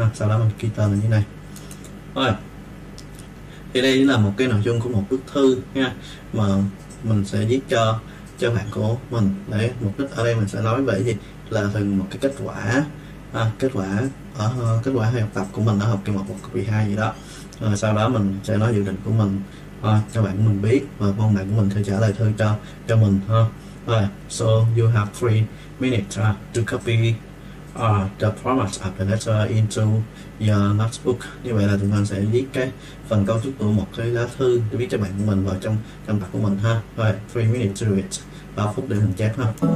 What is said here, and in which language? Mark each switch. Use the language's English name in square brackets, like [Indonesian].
[Vietnamese] Sau đó mình ghi tên là như này thôi. Thì đây là một cái nội dung của một bức thư nha, mà mình sẽ viết cho bạn của mình. Đấy, mục đích ở đây mình sẽ nói về gì, là từng một cái kết quả học tập của mình ở học kỳ 1 hoặc kỳ 2 gì đó. Rồi sau đó mình sẽ nói dự định của mình cho bạn mình biết, và mong bạn của mình sẽ trả lời thư cho mình ha. [English] Rồi, so you have 3 minutes to copy the format of the letter into your notebook. [Vietnamese] Như vậy là chúng ta sẽ viết cái phần cấu trúc của một cái lá thư để viết cho bạn của mình vào trong trong tập của mình ha. Rồi, [English] 3 minutes to do it, [Vietnamese] 3 phút để mình chép ha.